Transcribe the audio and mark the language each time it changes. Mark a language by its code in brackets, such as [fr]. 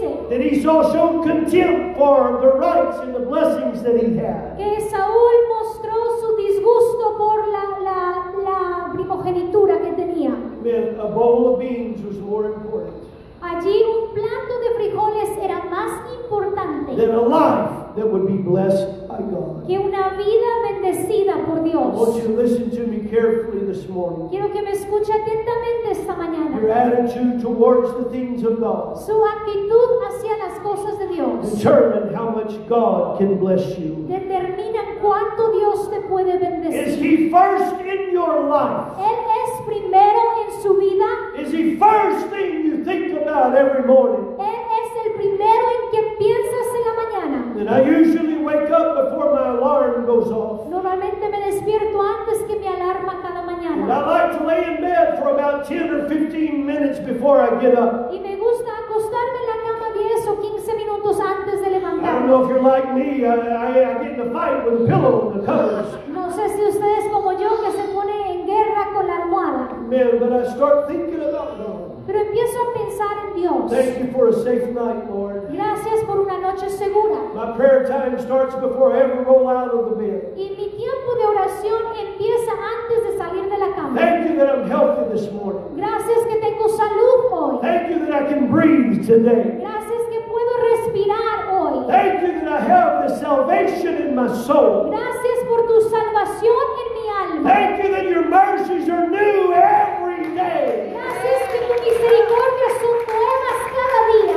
[en] That Esau showed contempt for the rights and the blessings that he had. [es] Que Saúl mostró su disgusto por la primogenitura que tenía. [en] Amen. A bowl of beans was more important. [es] Allí un plato de frijoles era más importante. [en] Than a life that would be blessed by God. [es] Que una vida bendecida por Dios. [en] I want you to listen to me carefully this morning. [es] Quiero que me escuche atentamente esta mañana. [en] Your attitude towards the things of God. [es] Su actitud hacia las cosas de Dios. [en] Determine how much God can bless you. [es] Determina cuánto Dios te puede bendecir. [en] Is he first in your life? [es] Él es primero en su vida. [en] Is he first thing you think about every morning? [es] Él es el primero en que piensas en la mañana. [en] And I usually wake up before my alarm goes off. [es] Normalmente me despierto antes que mi alarma cada mañana. [en] And I like to lay in bed for about 10 or 15 minutes before I get up. [es] Y me gusta acostarme en la cama 10 o 15 minutos antes de levantarme. [en] I don't know if you're like me. I get in a fight with the pillow and the covers. [es] No sé si usted es como yo que se pone en guerra con la almohada. [en] Amen, but I start thinking about God. [es] Pero empiezo a pensar en Dios. [en] Thank you for a safe night, Lord. [es] Gracias por una noche segura. [en] My prayer time starts before I ever roll out of the bed. [es] Y mi tiempo de oración empieza antes de salir de la cama. [en] Thank you that I'm healthy this morning. [es] Gracias que tengo salud hoy. [en] Thank you that I can breathe today. [es] Gracias que puedo respirar hoy. [en] Thank you that I have the salvation in my soul. [es] Gracias por tu salvación en mi alma. [en] Thank you that your mercies are new every day. [es] Gracias que tu misericordia son nuevas cada día.